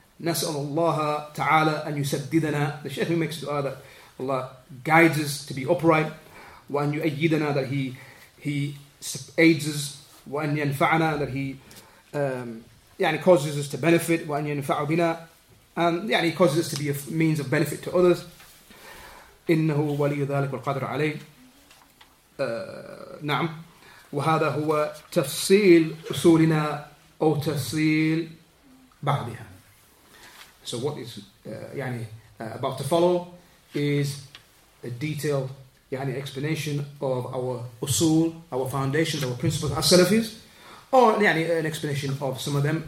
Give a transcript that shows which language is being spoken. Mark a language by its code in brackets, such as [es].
[ar] نسأل الله تعالى أن يسددنا. [en] The Shaykh makes dua that Allah guides us to be upright. [ar] وأن يؤيدنا, [en] that He aids us. [ar] وأن ينفعنا, [en] that He causes us to benefit. [ar] وأن ينفع بنا, [en] and He causes us to be a means of benefit to others. [ar] إنه ولي ذلك والقادر عليه. نعم. وهذا هو تفصيل أصولنا أو تفصيل بعضها. [en] So what is about to follow is a detailed explanation of our أصول, our foundations, our principles as Salafis, or an explanation of some of them.